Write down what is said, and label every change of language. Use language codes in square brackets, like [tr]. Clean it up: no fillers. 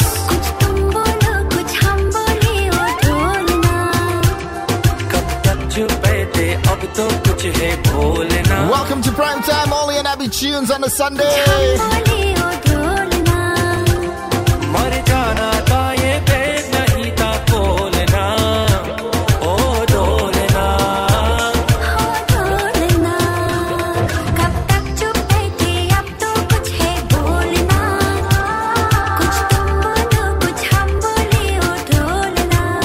[hi] कुछ तुम बोलो कुछ हम बोले वो ढूंढना कब तक छुपे थे अब तो कुछ है बोलना. [en] Welcome to Prime Time only on Abbey Tunes on a Sunday. [hi] कुछ हम बोले वो ढूंढना मर जाना था ये पैर नहीं था बोलना ओ ढूंढना हो ढूंढना कब तक छुपे थे अब तो कुछ है बोलना कुछ तुम बोलो कुछ हम बोले वो ढूंढना.